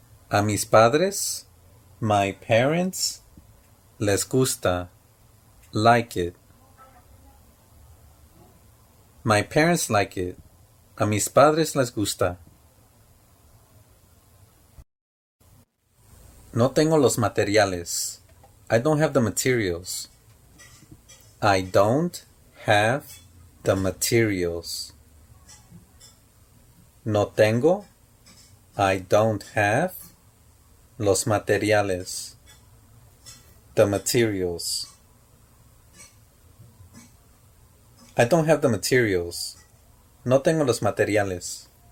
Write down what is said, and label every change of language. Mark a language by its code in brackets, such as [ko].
[es] A mis padres, [en] my parents [es] les gusta. [en] Like it. My parents like it. [es] A mis padres les gusta. No tengo los materiales. [en] I don't have the materials. I don't have the materials. [es] No tengo. [en] I don't have [es] los materiales. [en] The materials. I don't have the materials. [es] No tengo los materiales.